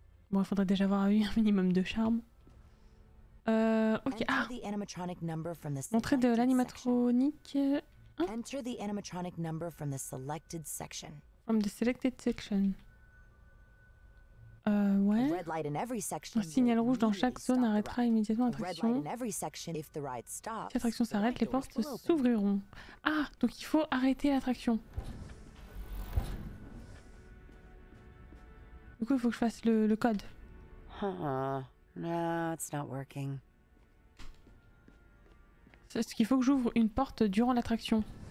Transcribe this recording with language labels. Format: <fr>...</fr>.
<fr>Bon, il faudrait déjà avoir eu un minimum de charme. Ok. Ah! Entrée de l'animatronique.</fr> <en>Enter the animatronic number from the selected section. From the selected section.</en> <fr>Ouais. Un signal rouge dans chaque zone arrêtera immédiatement l'attraction. Si l'attraction s'arrête, les portes s'ouvriront. Ah, donc il faut arrêter l'attraction. Du coup, il faut que je fasse le code. C'est ce qu'il faut que j'ouvre une porte durant l'attraction.</fr>